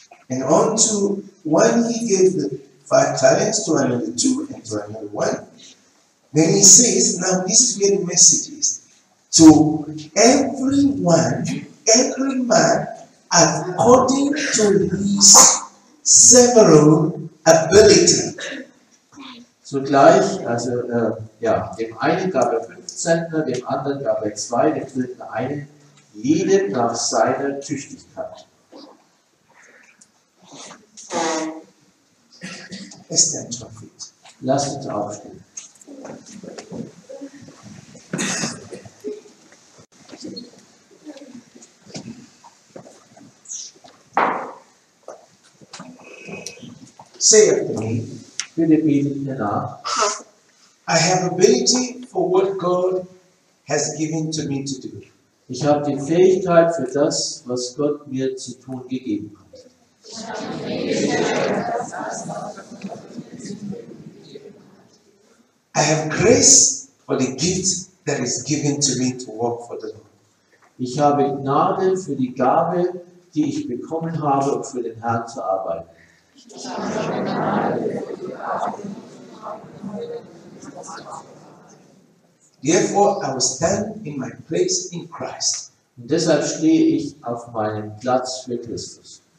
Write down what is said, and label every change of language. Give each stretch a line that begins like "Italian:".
English: And unto one he gave the 5 talents, to another 2, and to another 1. Then he says, now this very message is to everyone, every man, according to his several ability.
German: Zugleich, also ja, dem einen gab er 5 Zentner, dem anderen gab er 2, dem dritten 1, jedem nach seiner Tüchtigkeit. Es stand schon fit. Lass uns aufstehen.
English: Say after me.
German: Bitte beten mir nach.
English: I have ability for what God has given to me to do.
German: Ich habe die Fähigkeit für das, was Gott mir zu tun gegeben hat.
English: I have grace for the gift that is given to me to work for the Lord.
German: Ich habe Gnade für die Gabe, die ich bekommen habe, um für den Herrn zu arbeiten.
English: Therefore, I will stand in my place in Christ.
German: Und deshalb stehe ich auf meinem Platz für Christus.